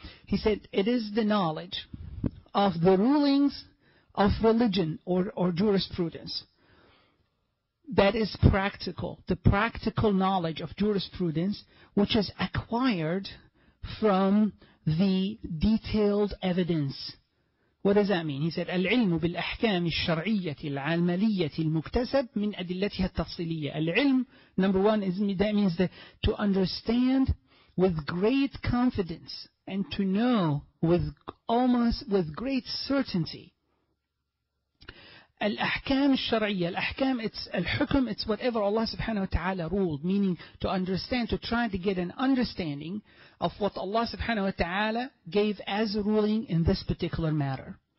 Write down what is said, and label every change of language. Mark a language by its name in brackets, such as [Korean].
[English] He said, it is the knowledge of the rulings of religion or jurisprudence that is practical, the practical knowledge of jurisprudence, which is acquired from the detailed evidence. What does that mean? He said, [Arabic] العلم بالأحكام الشرعية العملية المكتسب من أدلتها التفصيلية. [English] العلم, number one, is that means that to understand with great confidence and to know with great certainty. Al-ahkam al-shar'iyya, al-ahkam, it's al-hukm, it's whatever Allah subhanahu wa ta'ala ruled, meaning to understand, to try to get an understanding of what Allah subhanahu wa ta'ala gave as a ruling in this particular matter.